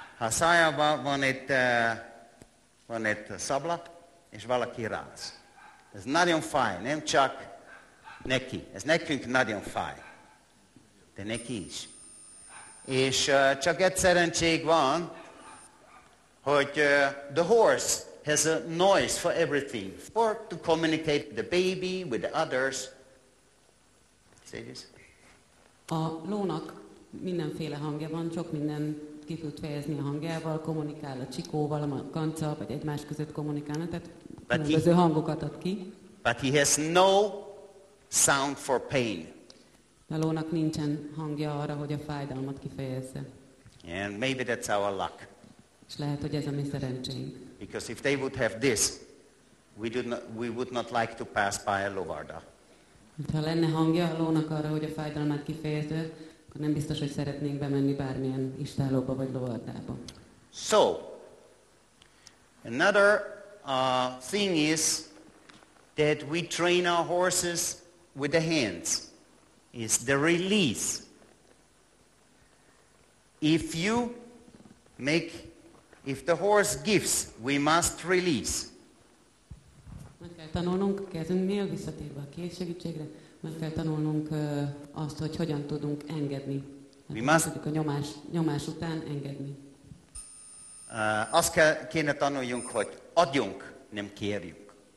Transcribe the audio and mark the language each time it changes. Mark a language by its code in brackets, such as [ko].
[hu] Ha szájában van itt szabla, és valaki ráz. Ez nagyon fáj, nem csak neki. Ez nekünk nagyon fáj. De neki is. És csak egy szerencség van, hogy [en] the horse has a noise for everything. For to communicate the baby with the others. Say this. [hu] A lónak mindenféle hangja van, sok minden ki tud fejezni a hangjával, kommunikál a csikóval, a kanca, vagy egymás között kommunikálna, tehát különböző hangokat ad ki. [en] But he has no sound for pain. [hu] A lónak nincsen hangja arra, hogy a fájdalmat kifejezze. [en] And maybe that's our luck. [hu] És lehet, hogy ez a mi szerencsénk. [en] Because if they would have this, we would not like to pass by a lovarda. [hu] Ha lenne hangja a lónak arra, hogy a fájdalmát kifejezze, akkor nem biztos, hogy szeretnénk bemenni bármilyen istállóba vagy lovardába. [en] So, another thing is that we train our horses with the hands. Is the release. If you make, if the horse gives, we must release. [hu] Meg kell tanulnunk kezünknél, visszatérve a kéz segítségre, meg kell tanulnunk azt, hogy hogyan tudunk engedni. [en] We must [hu] a nyomás után engedni. Azt kéne tanuljunk, hogy adjunk, nem kérjünk.